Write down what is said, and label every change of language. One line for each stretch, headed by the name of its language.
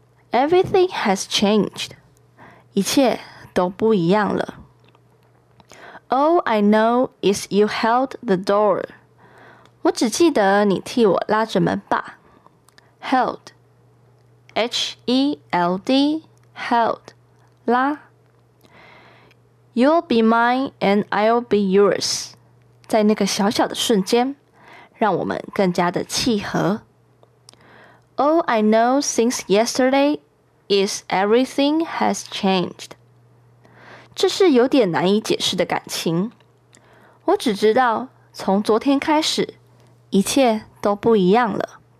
English: Everything has changed,
Chinese: 一切都不一样了。
English: All I know is you held the door.
Chinese: 我只记得你替我拉着门吧。
English: Held, H-E-L-D, held, 拉。 You'll be mine and I'll be yours.
Chinese: 在那个小小的瞬间，让我们更加的契合。
English: All I know since yesterday is everything has changed.
Chinese: 这是有点难以解释的感情。我只知道从昨天开始，一切都不一样了。